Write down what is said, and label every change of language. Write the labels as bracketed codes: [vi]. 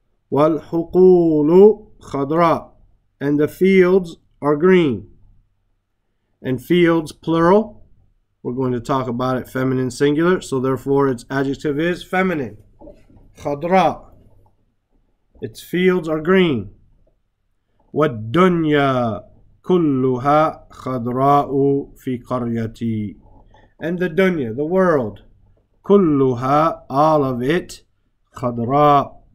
[ar] والحقول خضراء, [en] and the fields are green. And fields, plural, we're going to talk about it feminine singular, so therefore its adjective is feminine, خضراء. Its fields are green. [ar] والدنيا كلها خضراء في قريتي. [en] And the dunya, the world, كلها, all of it, خضراء.